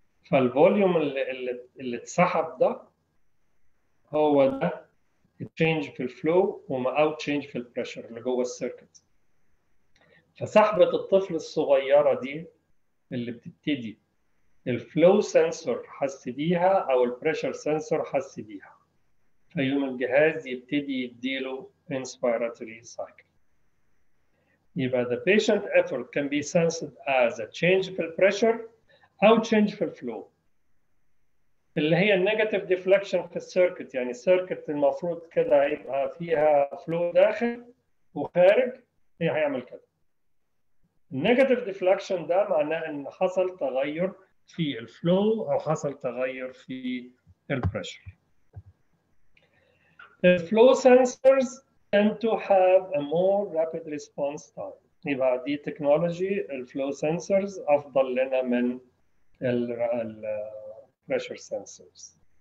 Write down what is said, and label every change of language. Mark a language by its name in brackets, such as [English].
[Arabic] فالفوليوم اللي تسحب ده هو ده التشينج في الفلو وما أو تشينج في البريشر اللي جوه السيركت. فسحبة الطفل الصغيرة دي اللي بتبتدي الفلو سنسور حس بيها او البريشر سنسور حس بيها، فيوم الجهاز يبتدي يديله inspiratory cycle. يبقى [English] the patient effort can be sensed as a change [Arabic] في البريشر او [English] change [Arabic] في الفلو اللي هي [English] negative deflection [Arabic] في السيركت. يعني السيركت المفروض كده يبقى فيها فلو داخل وخارج، هي هيعمل كده. negative deflection ده معناه ان حصل تغير في الفلو أو حصل تغير في البريشر. [English] The flow sensors tend to have a more rapid response time. [Arabic] يبقى دي تكنولوجي الفلو سنسرز أفضل لنا من [English] الـ pressure sensors.